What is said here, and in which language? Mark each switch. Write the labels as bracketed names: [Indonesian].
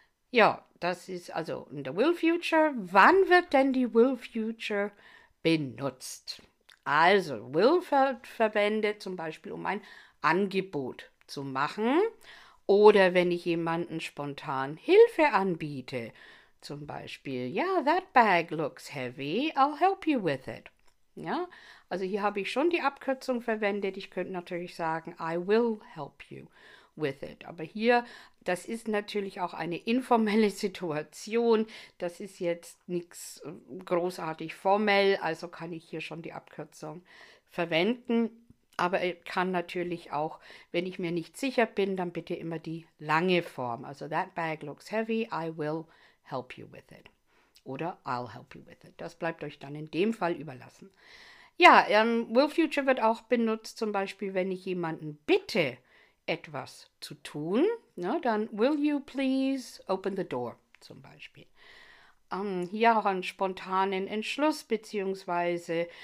[German] Ja, das ist also in der Will Future. Wann wird denn die Will Future benutzt? Also, will wird verwendet zum Beispiel, um ein Angebot zu machen oder wenn ich jemanden spontan Hilfe anbiete. Zum Beispiel, ja, [English] yeah, that bag looks heavy, I'll help you with it. [German] Ja, also hier habe ich schon die Abkürzung verwendet. Ich könnte natürlich sagen, [English] I will help you with it. [German] Aber hier, das ist natürlich auch eine informelle Situation. Das ist jetzt nichts großartig formell, also kann ich hier schon die Abkürzung verwenden. Aber ich kann natürlich auch, wenn ich mir nicht sicher bin, dann bitte immer die lange Form. [English] Also that bag looks heavy, I will help you with it. Oder I'll help you with it. [German] Das bleibt euch dann in dem Fall überlassen. Ja, Will Future wird auch benutzt, zum Beispiel, wenn ich jemanden bitte, etwas zu tun. [English] Ja, dann will you please open the door, [German] zum Beispiel. Hier auch einen spontanen Entschluss bzw.